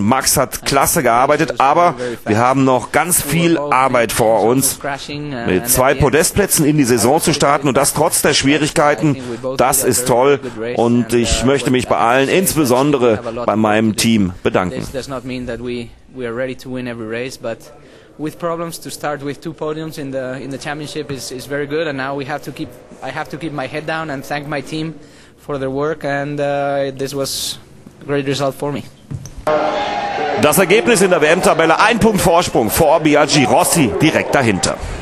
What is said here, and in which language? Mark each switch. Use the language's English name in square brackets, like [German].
[German] Max hat klasse gearbeitet, aber wir haben noch ganz viel Arbeit vor uns. Mit zwei Podestplätzen in die Saison zu starten und das trotz der Schwierigkeiten, das ist toll. Und ich möchte mich bei allen, insbesondere bei meinem Team, bedanken. [English] We are ready to win every race, but with problems to start with two podiums in the championship is very good, and now I have to keep my head down and thank my team for their work, and this was a great result for me. [German] Das Ergebnis in der WM-Tabelle, ein Punkt Vorsprung vor Biaggi, Rossi direkt dahinter.